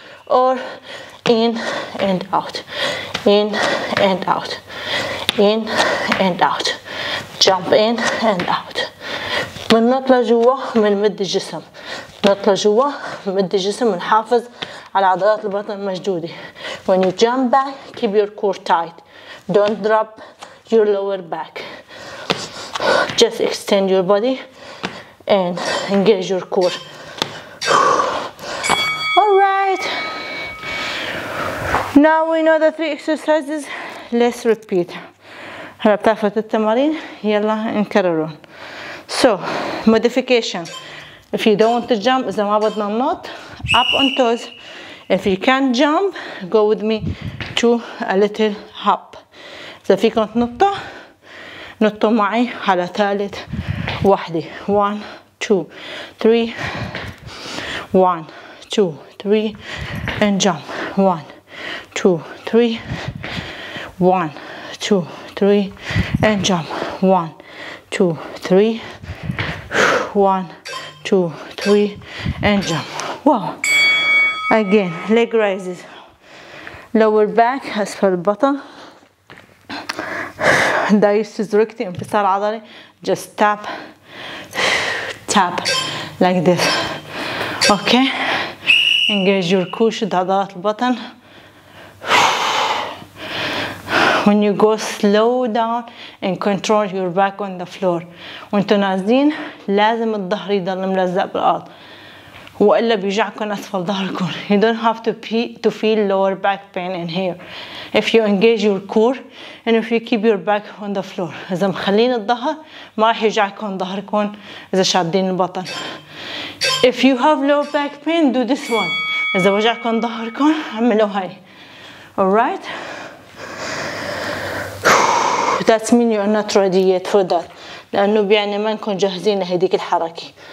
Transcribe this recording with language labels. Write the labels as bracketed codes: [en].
[en] Or in and out. In and out. In and out. Jump in and out. [ar] من نط لجوا من مد الجسم. نطلع جوا مد الجسم ونحافظ على عضلات البطن مشدودة. [en] When you jump back, keep your core tight. Don't drop your lower back. Just extend your body and engage your core. Alright. Now we know the three exercises. Let's repeat. [ar] هلا بتعرفوا التمارين؟ يلا نكررهم. [en] So, modification. If you don't want to jump, [ar] إذا ما بدنا ننط, [en] up on toes. If you can't jump, go with me to a little hop. [ar] إذا فيكم تنطوا, نطوا معي على ثالث وحدة. [en] 1, 2, 3. 1, 2, 3. And jump. 1, 2, 3. 1, 2, 3. And jump. 1, 2, 3. 1, 2, 3, and jump. Wow. Again, leg raises. Lower back, [ar] أسفل البطن. دايس زركتي انفصال عضلي. [en] Just tap, tap, like this. Okay. Engage your core, [ar] شد عضلات البطن. [en] When you go slow down and control your back on the floor. [ar] وانتو نازلين لازم الظهر يضل ملزق بالارض والا بيجعكم اسفل ظهركم. [en] You don't have to feel lower back pain in here if you engage your core and if you keep your back on the floor. [ar] اذا مخلين الظهر ما راح يجعكم ظهركم اذا شادين البطن. [en] If you have lower back pain, do this one. [ar] اذا وجعكم ظهركم اعملوا هاي. [en] Alright. That's mean you are not ready yet for that. [ar] لأنه بيعني ما نكون جاهزين لهذيك الحركة.